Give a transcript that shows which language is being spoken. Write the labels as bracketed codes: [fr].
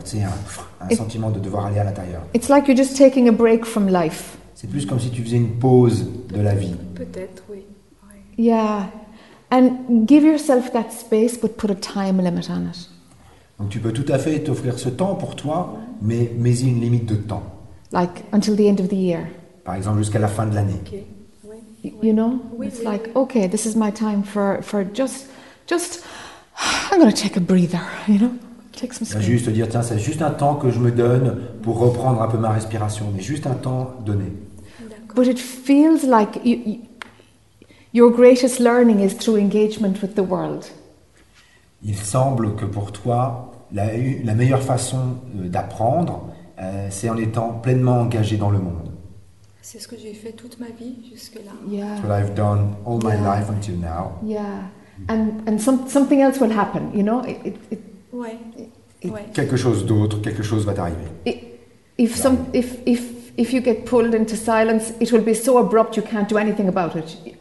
[fr] C'est un sentiment de devoir aller à l'intérieur. [en] It's like you're just taking a break from life. [fr] C'est plus comme si tu faisais une pause de la vie. Peut-être, oui. [en] Yeah. And give yourself that space, but put a time limit on it. [fr] Donc tu peux tout à fait t'offrir ce temps pour toi, mais mets-y une limite de temps. [en] Like until the end of the year. [fr] Par exemple, jusqu'à la fin de l'année. [en] Okay. [fr] Oui. [en] You know, [fr] oui, [en] it's [fr] oui. [en] like, okay, this is my time for just, I'm going to take a breather, you know, take some space. [fr] Juste dire, tiens, c'est juste un temps que je me donne pour reprendre un peu ma respiration, mais juste un temps donné. D'accord. [en] But it feels like your greatest learning is through engagement with the world. [fr] Il semble que pour toi, la meilleure façon d'apprendre, c'est en étant pleinement engagé dans le monde. C'est ce que j'ai fait toute ma vie jusque là. [en] Yeah. What I've done all my life until now. Yeah. And something else will happen, you know? It, [fr] ouais. Quelque chose d'autre, quelque chose va t'arriver. [en] If you get pulled into silence, it will be so abrupt you can't do anything about it.